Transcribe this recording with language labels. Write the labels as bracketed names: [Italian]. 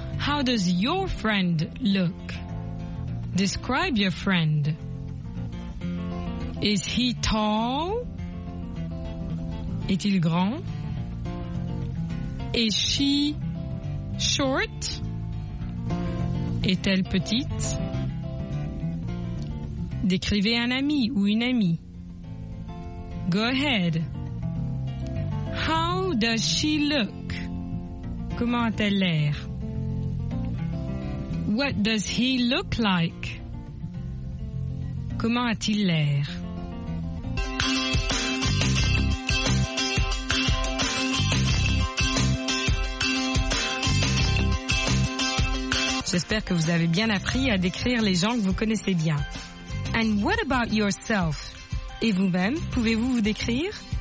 [English] How does your friend look? Describe your friend. Is he tall? [French] Est-il grand? [English] Is she short? [French] Est-elle petite? Décrivez un ami ou une amie. [English] Go ahead. How does she look? [French] Comment a-t-elle l'air? [English] What does he look like? [French] Comment a-t-il l'air? J'espère que vous avez bien appris à décrire les gens que vous connaissez bien. [English] And what about yourself? [French] Et vous-même, pouvez-vous vous décrire?